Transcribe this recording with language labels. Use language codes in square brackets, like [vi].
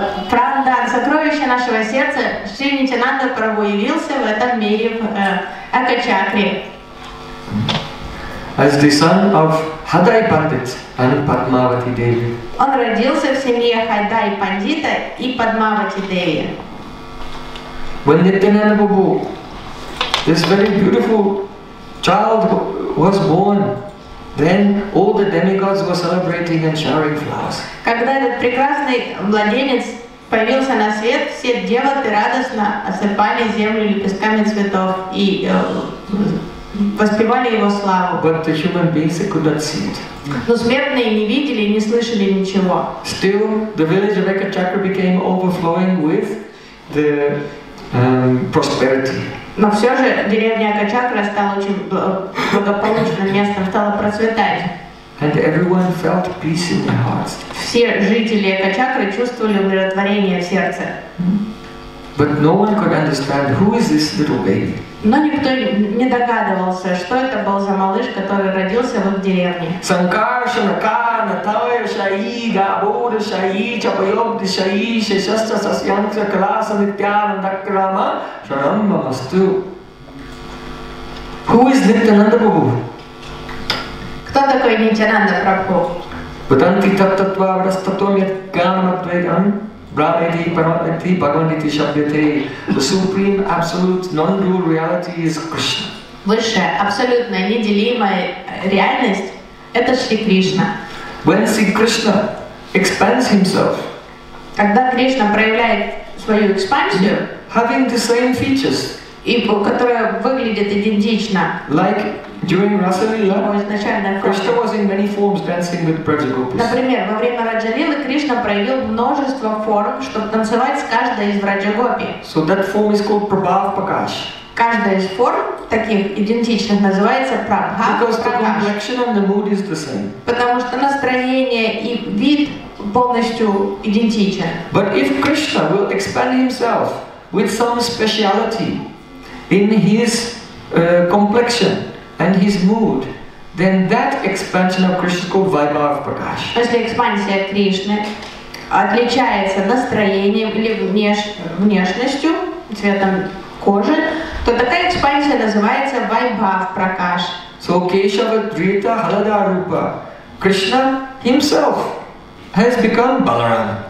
[ru] Прандан, сокровище нашего сердца, Шри Нитянанда Прабху явился в этом мире в Экачакре. [en] As the son of Hadai Pandit and Padmavati Devi. [ru] Он родился в семье Хайдай Пандита и Падмавати Деви. [en] When Nityananda Prabhu, this very beautiful child was born, then all the demigods were celebrating and showering flowers. [ru] Когда этот прекрасный младенец появился на свет, все девоты радостно осыпали землю лепестками цветов и воспевали его славу. [en] But the human beings could not see it. [ru] Но смертные не видели и не слышали ничего. [en] Still, the village of Ekachakra became overflowing with the prosperity. [ru] Но все же деревня Ekachakra стала очень благополучным местом, стала процветать. [en] And everyone felt peace in their hearts. [ru] Все жители Ekachakra чувствовали умиротворение в сердце. [en] But no one could understand who is this little baby. [ru] Но никто не догадывался, что это был за малыш, который родился в их деревне. Санкаршана кана тая шаи габура шаи чапайобди шаи шешаста сасьянца класа нитянанда крама шарамма масту. [en] Who is Nityananda Prabhu? [ru] Кто такой Нитянанда Прабху? Бутанти таттатва врастатомья канама твейган. [sa] Brahmeti, Paramatmeti, Bhagavaneti, Shabdete. [en] The supreme, absolute, non-dual reality is Krishna. [ru] Высшая, абсолютная, неделимая реальность – это Шри Кришна. [en] When Sri Krishna expands himself, [ru] когда Кришна проявляет свою экспансию, [en] having the same features, [ru] и которая выглядит идентично, [en] like during Rasa Lila, Krishna was in many forms dancing with Vrajagopis. [ru] Например, во время Раджа Лилы Кришна проявил множество форм, чтобы танцевать с каждой из Враджагопи. [en] So that form is called Prabhav Pakash. [ru] Каждая из форм таких идентичных называется Prabhav Pakash. [en] Because the complexion and the mood is the same. [ru] Потому что настроение и вид полностью идентичен. [en] But if Krishna will expand himself with some speciality in his complexion and his mood, then that expansion of Krishna is called Vaibhav Prakash. [ru] Если экспансия Кришны отличается настроением или внешностью, цветом кожи, то такая экспансия называется Vaibhav Prakash. [en] So Keshava Dvita Haladarupa, Krishna himself has become Balaram.